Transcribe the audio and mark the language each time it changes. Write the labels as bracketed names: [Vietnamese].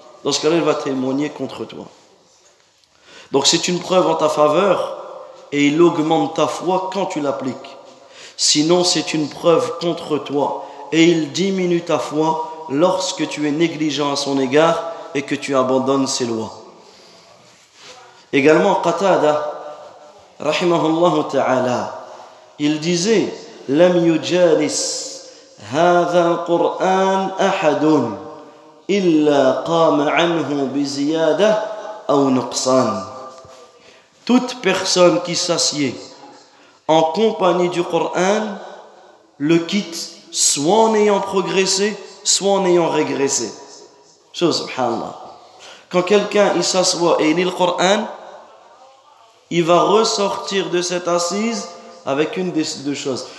[French] dans ce cas-là, il va témoigner contre toi. Donc c'est une preuve en ta faveur et il augmente ta foi quand tu l'appliques. Sinon, c'est une preuve contre toi et il diminue ta foi lorsque tu es négligent à son égard et que tu abandonnes ses lois. Également, Qatada, rahimahullah ta'ala, il disait, [Arabic] « Lam yujalis هذا القرآن أحد إلا قام عنه بزيادة أو نقصان. [French] Toute personne qui s'assied en compagnie du Coran le quitte soit en ayant progressé, soit en ayant régressé. Subhanallah. Quand quelqu'un il s'assoit et il lit le Coran, il va ressortir de cette assise avec une des deux choses.